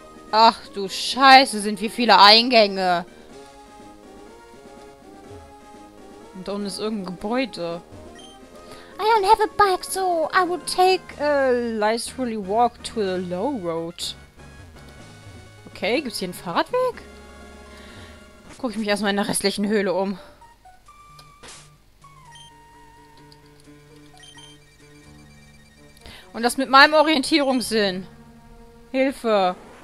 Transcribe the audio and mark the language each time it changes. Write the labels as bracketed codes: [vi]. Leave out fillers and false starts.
[de] Ach du Scheiße, sind wie viele Eingänge. Und da unten ist irgendein Gebäude. [en] I don't have a bike, so I would take a leisurely walk to the low road. [de] Okay, gibt's hier einen Fahrradweg? Guck ich mich erstmal in der restlichen Höhle um. Und das mit meinem Orientierungssinn. Hilfe.